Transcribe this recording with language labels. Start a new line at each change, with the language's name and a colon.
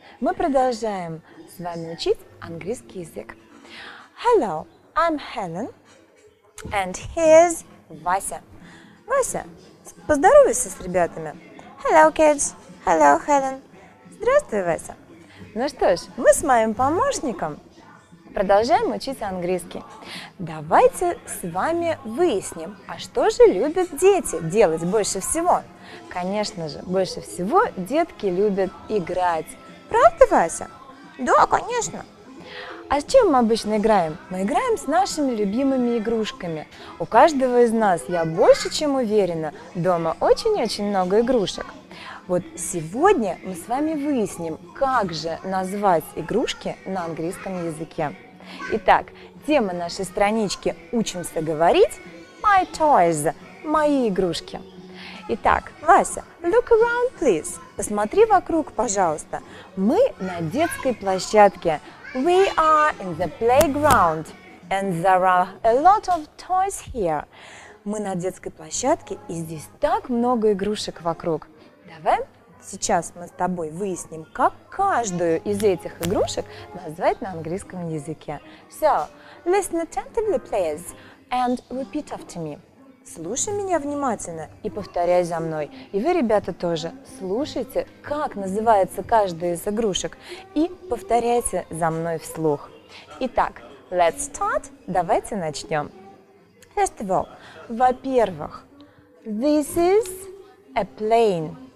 Russian: Мы продолжаем с вами учить английский язык.
English: Hello, I'm Helen, and here's Vasya.
Russian: Vasya, поздоровайся с ребятами.
English: Hello, kids. Hello, Helen.
Russian: Здравствуй, Вася. Ну что ж, мы с моим помощником продолжаем учить английский. Давайте с вами выясним, а что же любят дети делать больше всего? Конечно же, больше всего детки любят играть. Правда, Вася? Да, конечно. А с чем мы обычно играем? Мы играем с нашими любимыми игрушками. У каждого из нас, я больше чем уверена, дома очень-очень много игрушек. Вот сегодня мы с вами выясним, как же назвать игрушки на английском языке. Итак, тема нашей странички «Учимся говорить» –
English: «My toys»
Russian: – «Мои игрушки». Итак,
English: Вася, look around, please.
Russian: Посмотри вокруг, пожалуйста. Мы на детской площадке.
English: We are in the playground, and there are a lot of toys here.
Russian: Мы на детской площадке, и здесь так много игрушек вокруг. Давай сейчас мы с тобой выясним, как каждую из этих игрушек назвать на английском языке.
English: So, listen attentively, please, and repeat after me.
Russian: Слушай меня внимательно и повторяй за мной. И вы, ребята, тоже слушайте, как называется каждая из игрушек, и повторяйте за мной вслух. Итак,
English: let's start.
Russian: Давайте начнем.
English: First of all,
Russian: во-первых,
English: this is a plane.